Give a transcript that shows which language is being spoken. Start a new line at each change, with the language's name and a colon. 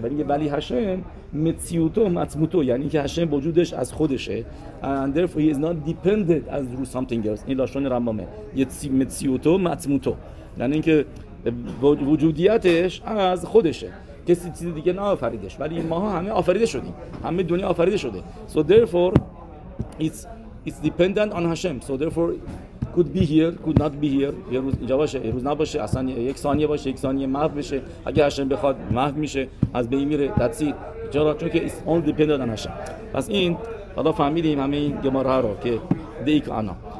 Persian: ولی هاشم متسیوتو متموتو، یعنی که هاشم وجودش از خودشه،
English: and therefore he is not dependent as through something else.
Persian: این لاشون رمامه متسیوتو متموتو، یعنی اینکه وجودیتش از خودشه، کسی چیز دیگه نه آفریدش. ولی ماها همه آفریده شدیم، همه دنیا آفریده شده.
English: So therefore it's dependent on Hashem. So therefore could be here, could not be here.
Persian: یه روز اینجا باشه، یه روز نباشه، اصلا یک ثانیه باشه، یک ثانیه محو بشه، اگه هاشم بخواد محو میشه، از بین میره.
English: That's it.
Persian: چرا؟ چون که
English: it's all dependent on Hashem.
Persian: پس این حالا فهمیدیم همه این گماره رو که دیگه آنا.